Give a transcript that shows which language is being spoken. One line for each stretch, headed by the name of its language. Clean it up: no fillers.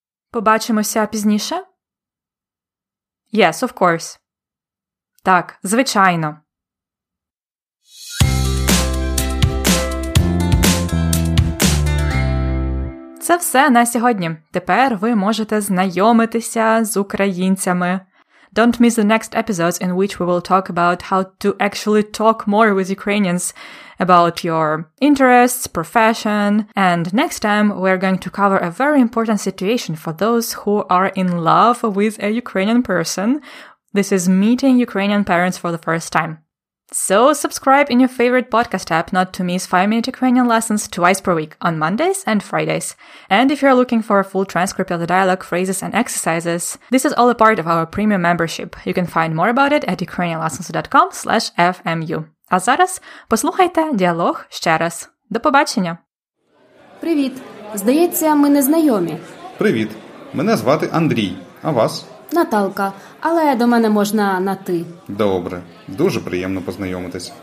Ukrainian: Побачимося пізніше?
English: Yes, of course.
Ukrainian: Так, звичайно. Це все на сьогодні. Тепер ви можете знайомитися з українцями.
English: Don't miss the next episodes in which we will talk about how to actually talk more with Ukrainians about your interests, profession. And next time, we're going to cover a very important situation for those who are in love with a Ukrainian person. This is meeting Ukrainian parents for the first time. So subscribe in your favorite podcast app not to miss 5-minute Ukrainian lessons twice per week, on Mondays and Fridays. And if you're looking for a full transcript of the dialogue, phrases and exercises, this is all a part of our premium membership. You can find more about it at ukrainianlessons.com/fmu.
Ukrainian: А зараз послухайте діалог ще раз. До побачення! Привіт! Здається, ми не знайомі. Привіт! Мене звати Андрій. А вас? Наталка, але до мене можна на ти. Добре, дуже приємно познайомитись.